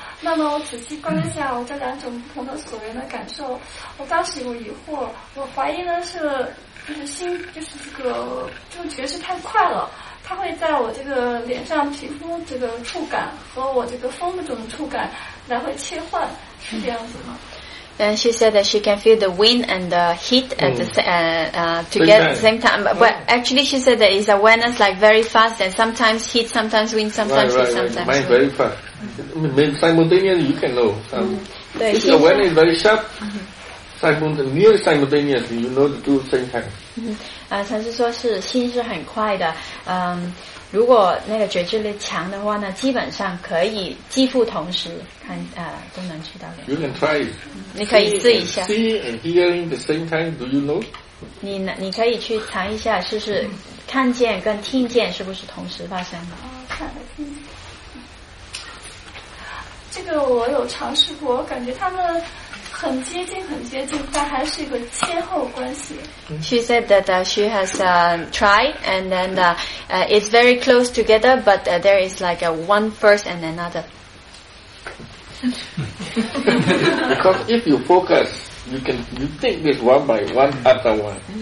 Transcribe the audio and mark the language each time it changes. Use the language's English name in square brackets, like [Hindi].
[Chinese] 那么我仔细观察我这两种不同的所缘的感受，我当时有疑惑，我怀疑呢是就是心就是这个就觉知太快了。它会在我这个脸上皮肤这个触感和我这个风的这种触感来回切换，是这样子吗？ [English] And she said that she can feel the wind and the heat at the same time. But actually, she said that it's awareness like very fast, and sometimes heat, sometimes wind, sometimes heat. Mind very fast. Simultaneously, you can know. The awareness is very sharp. Simultaneously, you know the two same time. [Chinese] 禅师说是心是很快的，如果那个觉知力强的话呢，基本上可以几乎同时看都能知道的。 [English] You can try. [Chinese] 你可以试一下。 [English] See and hearing the same time, do you know? [Chinese] 你可以去尝一下试试，看见跟听见是不是同时发生的？看这个我有尝试过，我感觉他们很接近，但还是一个切后关系。 [English] She said that she has tried, and then it's very close together, but there is like a one first and another. Because if you focus, you think this one by one after one.